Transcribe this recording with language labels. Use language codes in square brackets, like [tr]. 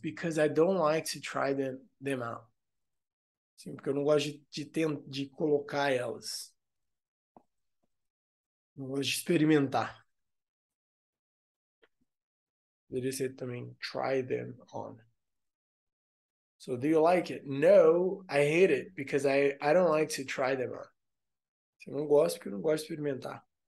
[en] Because I don't like to try them out. [pt] Sim, porque eu não gosto de colocar elas. Não gosto de experimentar. Poderia ser também [en] try them on. So, do you like it? No, I hate it because I don't like to try them on. [pt] Eu não gosto porque eu não gosto de experimentar.